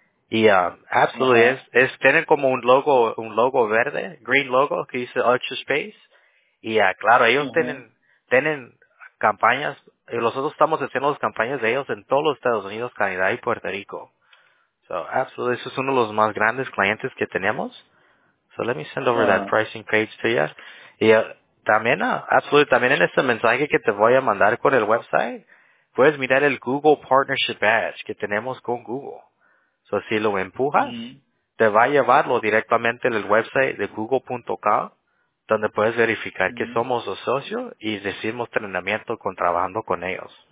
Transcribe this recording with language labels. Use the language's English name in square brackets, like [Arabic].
[Spanish] Y absolutely es tienen como un logo verde, [English] green logo, [Spanish] que dice Ultra Space. Y claro, ellos tienen campañas, y nosotros estamos haciendo las campañas de ellos en todos los Estados Unidos, Canadá y Puerto Rico. [English] So absolutely, [Spanish] eso es uno de los más grandes clientes que tenemos. [English] So let me send over that pricing page to you. [Spanish] Y también absolutely, también en este mensaje que te voy a mandar con el website, puedes mirar el Google Partnership Badge que tenemos con Google. So, si lo empujas, te va a llevarlo directamente en el website de google.com, donde puedes verificar que somos los socios y decimos entrenamiento con trabajando con ellos.